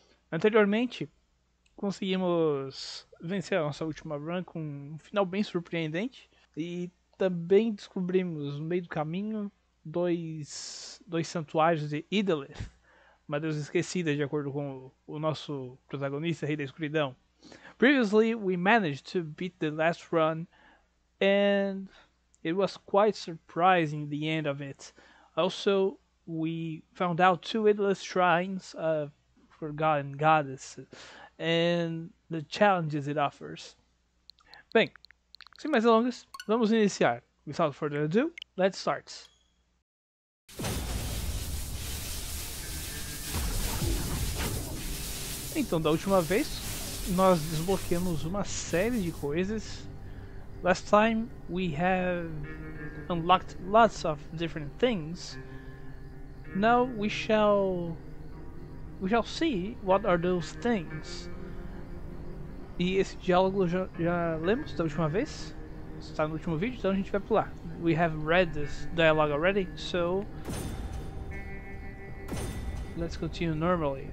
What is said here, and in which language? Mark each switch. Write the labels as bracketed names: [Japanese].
[Portuguese] Anteriormente, conseguimos vencer a nossa última run com um final bem surpreendente. E também descobrimos, no meio do caminho, dois santuários de Idaleth, uma deusa esquecida, de acordo com o nosso protagonista, Rei da Escuridão. [English] Previously, we managed to beat the last run and it was quite surprising the end of it. Also, we found out two endless shrines of forgotten goddesses and the challenges it offers. [Portuguese] Bem, sem mais delongas, vamos iniciar. [English] Without further ado, let's start. [Portuguese] Então, da última vez, nós desbloqueamos uma série de coisas. [English] Last time, we have unlocked lots of different things. Now we shall see what are those things. [Portuguese] E esse diálogo já lemos da última vez. Está no último vídeo, então a gente vai pular. [English] We have read this dialogue already, so let's continue normally.